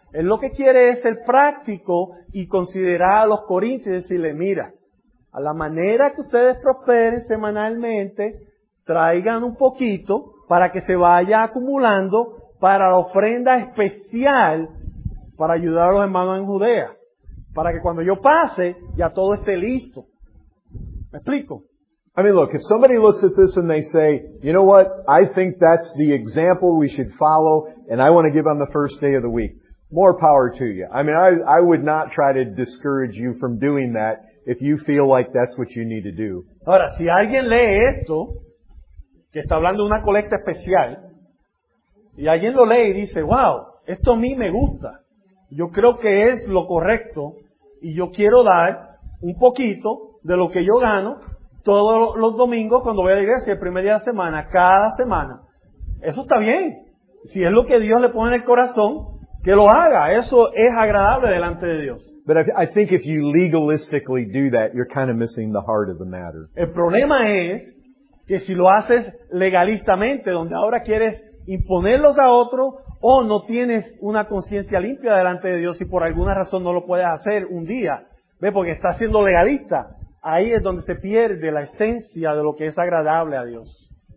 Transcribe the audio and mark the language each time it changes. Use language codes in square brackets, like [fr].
[es] Él lo que quiere es ser práctico y considerar a los corintios y decirle, mira, a la manera que ustedes prosperen semanalmente, traigan un poquito para que se vaya acumulando para la ofrenda especial para ayudar a los hermanos en Judea. Para que cuando yo pase, ya todo esté listo. ¿Me explico? [en] I mean, look, if somebody looks at this and they say, you know what, I think that's the example we should follow and I want to give on the first day of the week, more power to you. I mean, I would not try to discourage you from doing that if you feel like that's what you need to do. [es] Ahora, si alguien lee esto, que está hablando de una colecta especial, y alguien lo lee y dice, wow, esto a mí me gusta, yo creo que es lo correcto, y yo quiero dar un poquito de lo que yo gano todos los domingos cuando voy a la iglesia, el primer día de la semana, cada semana. Eso está bien. Si es lo que Dios le pone en el corazón, que lo haga. Eso es agradable delante de Dios. [en] But I think if you legalistically do that, you're kind of missing the heart of the matter. [es] El problema es que si lo haces legalistamente, donde ahora quieres imponerlos a otros, o no tienes una conciencia limpia delante de Dios y por alguna razón no lo puedes hacer un día, ¿ves? Porque estás siendo legalista. Ahí es donde se pierde la esencia de lo que es agradable a Dios.